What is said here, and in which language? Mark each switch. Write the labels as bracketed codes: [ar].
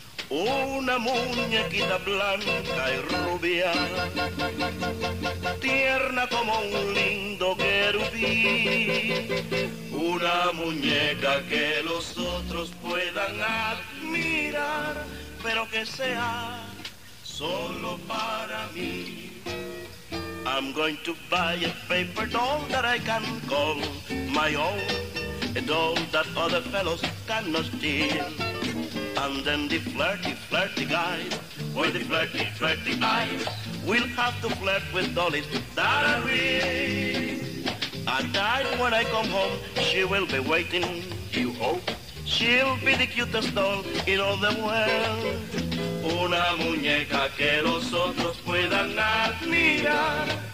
[es] Una muñequita blanca y rubia, tierna como un lindo querubí. Una muñeca que los otros puedan admirar, pero que sea solo para mí. [en] I'm going to buy a paper doll that I can call my own, a doll that other fellows cannot steal. And then the flirty, flirty guys, with the flirty, flirty eyes, will have to flirt with dollies that I read. At night when I come home, she will be waiting, you hope. She'll be the cutest doll in all the world. [es] Una muñeca que los otros puedan admirar.